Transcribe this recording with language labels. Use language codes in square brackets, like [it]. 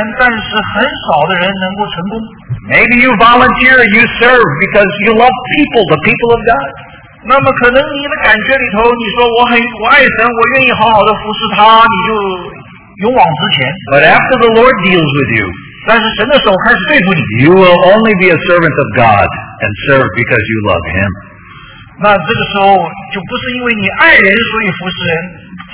[zh] 所以从一个意义上来讲，神呼召了许许多多的仆人，但是很少的人能够成功。 [en] Maybe you volunteer, you serve because you love people, the people of God. [zh] 那么可能你的感觉里头，你说我爱神，我愿意好好的服侍他，你就勇往直前。 [en] But after the Lord deals with you, [zh] 但是神的手开始对付你， [en] you will only be a servant of God and serve because you love Him. [zh] 那这个时候就不是因为你爱人所以服侍人。